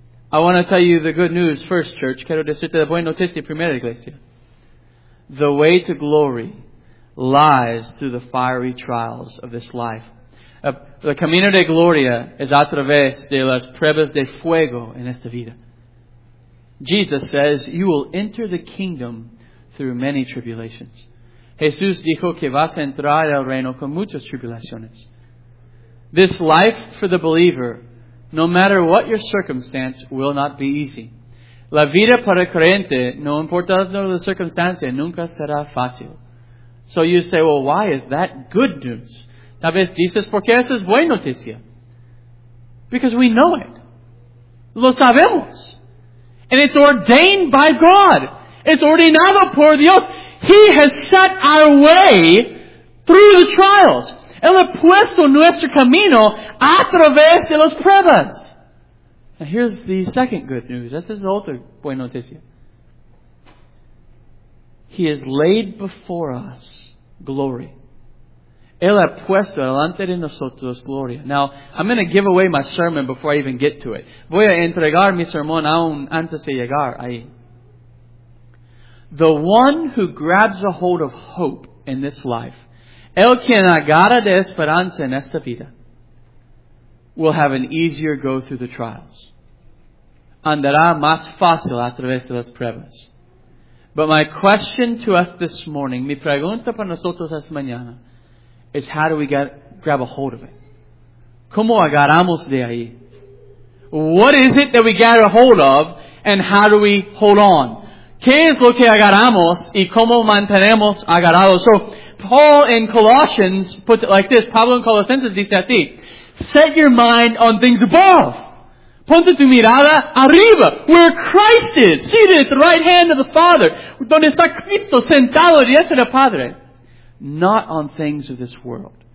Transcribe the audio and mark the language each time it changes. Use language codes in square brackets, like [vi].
[en] I want to tell you the good news first, church. [es] Quiero decirte la buena noticia primero, iglesia. [en] The way to glory lies through the fiery trials of this life. [es] El camino de gloria es a través de las pruebas de fuego en esta vida. [en] Jesus says, you will enter the kingdom through many tribulations. [es] Jesús dijo que vas a entrar al reino con muchas tribulaciones. [en] This life for the believer, no matter what your circumstance, will not be easy. [es] La vida para el creyente, no importa la circunstancia, nunca será fácil. [en] So you say, well, why is that good news? [es] Tal vez dices, porque eso es buena noticia. [en] Because we know it. [es] Lo sabemos. [en] And it's ordained by God. It's [es] ordenado por Dios. [en] He has set our way through the trials. [es] Él ha puesto nuestro camino a través de las pruebas. [en] Now here's the second good news. This is the other [es] buena noticia. [en] He has laid before us glory. [es] Él ha puesto delante de nosotros gloria. [en] Now, I'm going to give away my sermon before I even get to it. [es] Voy a entregar mi sermón aún antes de llegar ahí. [en] The one who grabs a hold of hope in this life, [es] el quien agarra de esperanza en esta vida, [en] will have an easier go through the trials. [es] Andará más fácil a través de las pruebas. [en] But my question to us this morning, [es] mi pregunta para nosotros esta mañana, [en] is how do we grab a hold of it? [es] ¿Cómo agarramos de ahí? [en] What is it that we get a hold of and how do we hold on? [es] ¿Qué es lo que agarramos y cómo mantenemos agarrados? [en] So, Paul in Colossians puts it like this. [es] Pablo in Colossenses dice así. [en] Set your mind on things above. [es] Ponte tu mirada arriba, [en] where Christ is, seated at the right hand of the Father. [es] Donde está Cristo, sentado a diestra del Padre. [en] Not on things of this world.